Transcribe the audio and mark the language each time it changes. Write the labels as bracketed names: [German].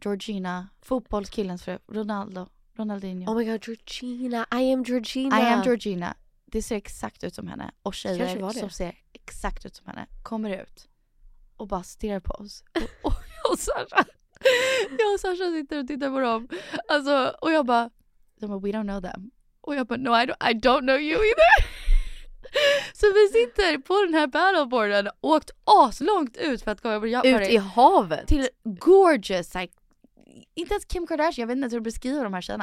[Swedish] Georgina, fotbollskillens fru, Ronaldo. Ronaldinho. [English] Oh my god, Georgina. I am Georgina. I am Georgina. [Swedish] Det ser exakt ut som henne. Och tjejer som ser exakt ut som henne kommer ut och bara stirrar på oss. Och Sasha sitter och tittar på dem. Alltså, och jag bara, [English] we don't know them. [Swedish] Och jag bara, [English] no, I don't know you either. [Swedish] Så vi sitter på den här paddleboarden och åkt aslångt ut för att komma på jag ut i havet. Till gorgeous, like, inte ens Kim Kardashian, jag vet inte hur du beskriver de här tjejerna.